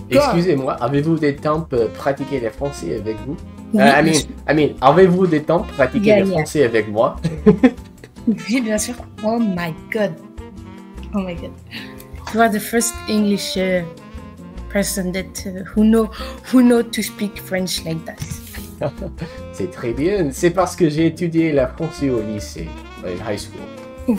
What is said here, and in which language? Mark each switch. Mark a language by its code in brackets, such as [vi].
[fr] Excusez-moi, avez-vous des temps pour pratiquer le français avec vous? [en] I mean, [fr] avez-vous des temps pour pratiquer le français avec moi? Oui, bien sûr. [en] Oh my god. Oh my god. You are the first English person that who know to speak French like that. [fr] C'est très bien. C'est parce que j'ai étudié le français au lycée, [en] in high school.